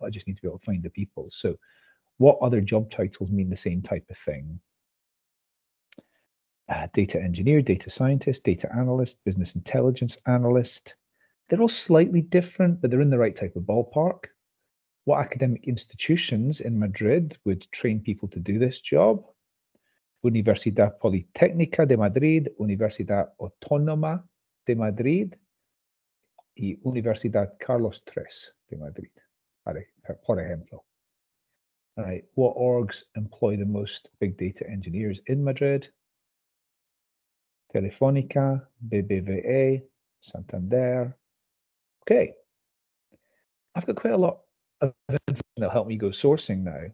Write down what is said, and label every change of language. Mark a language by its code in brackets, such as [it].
[en] I just need to be able to find the people. So, what other job titles mean the same type of thing? Data engineer, data scientist, data analyst, business intelligence analyst. They're all slightly different, but they're in the right type of ballpark. What academic institutions in Madrid would train people to do this job? [es] Universidad Politécnica de Madrid, Universidad Autónoma de Madrid, y Universidad Carlos III de Madrid, por ejemplo. [en] All right, what orgs employ the most big data engineers in Madrid? Telefónica, BBVA, Santander. Okay, I've got quite a lot of information that'll help me go sourcing now.